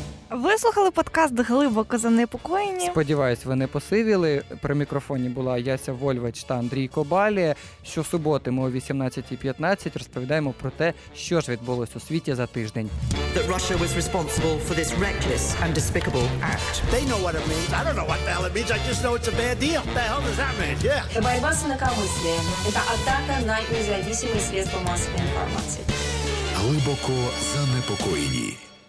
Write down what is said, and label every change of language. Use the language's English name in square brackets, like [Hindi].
[Ukrainian] Ви слухали подкаст «Глибоко занепокоєні». Сподіваюсь, ви не посивіли. При мікрофоні була Яся Вольвач та Андрій Кобалія. Щосуботи ми о 18:15 розповідаємо про те, що ж відбулось у світі за тиждень. [English] That Russia was responsible for this reckless and despicable act. They know what it means. I don't know what the hell it means. I just know it's a bad deal. What the hell does that mean? Yeah. [Russian] Борьба з инакомыслием. Это атака на независимые средства массовой информации. [Ukrainian] Глибоко занепокоєні.